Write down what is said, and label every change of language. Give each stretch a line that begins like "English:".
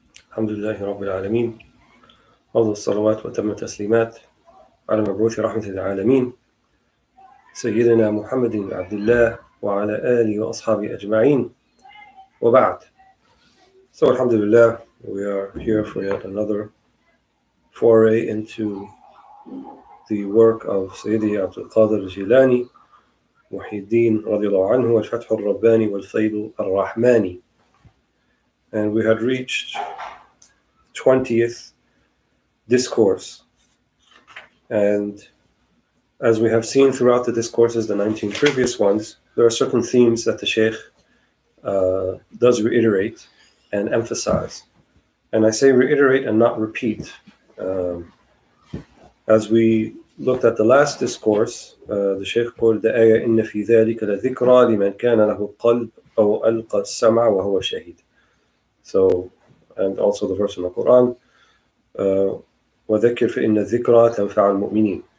Arabic: الحمد لله رب العالمين، أفضل الصلوات وتم التسليمات على مبعوث رحمة العالمين سيدنا محمد عبد الله وعلى آله وأصحابه أجمعين، وبعد.
English: So
Arabic: الحمد لله,
English: we are here for yet another foray into the work of سيدي عبد القادر الجيلاني محي الدين رضي الله عنه
Arabic: والفتح الرباني والفيض الرحماني.
English: And we had reached 20th discourse. And as we have seen throughout the discourses, the 19 previous ones, there are certain themes that the Sheikh does reiterate and emphasize. And I say reiterate and not repeat. As we looked at the last discourse, the Sheikh quoted the ayah,
Arabic: إِنَّ فِي ذَلِكَ لَذِكْرَى لِمَنْ كَانَ لَهُ قَلْبْ أَوْ أَلْقَى السَّمْعَ وَهُوَ شَهِيدٌ.
English: So, and also the verse in the Quran,
Arabic: وَذَكِّرْ فِإِنَّ الذِّكْرَى تَنْفَعَ الْمُؤْمِنِينَ.